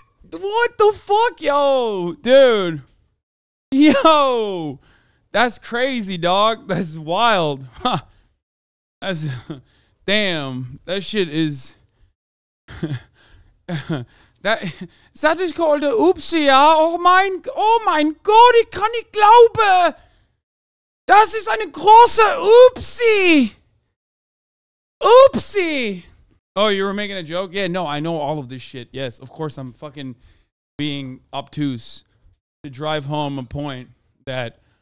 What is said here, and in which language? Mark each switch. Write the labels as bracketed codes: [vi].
[en] What the fuck, yo? Dude. Yo! That's crazy, dog. That's wild. That's damn. That shit is. That is called a oopsie, ah. [de] Oh mein Gott, ich kann nicht glauben. Das ist eine große oopsie. [en] Oopsie. Oh, you were making a joke? Yeah, no, I know all of this shit. Yes, of course I'm fucking being obtuse to drive home a point that.